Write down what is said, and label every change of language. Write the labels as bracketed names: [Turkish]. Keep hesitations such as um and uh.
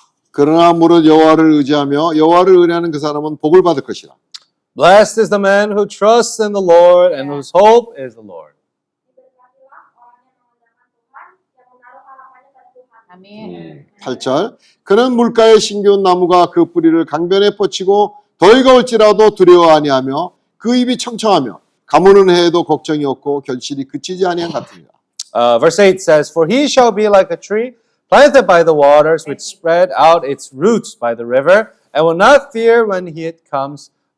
[Korean] 그러나 무릇 여호와를 의지하며 여호와를 의뢰하는 그 사람은 복을 받을 것이다 [English] Blessed is the man who trusts in the Lord and whose hope is the Lord. Amen. [Korean] 8절. 그는 물가에 심겨온 나무가 그 뿌리를 강변에 뻗치고 더위가 올지라도 두려워 아니하며 그 입이 청청하며 가무는 해에도 걱정이 없고 결실이 그치지 아니한 같으니라. [English] Uh, verse 8 says, For he shall be like a tree planted by the waters which spread out its roots by the river and will not fear when it comes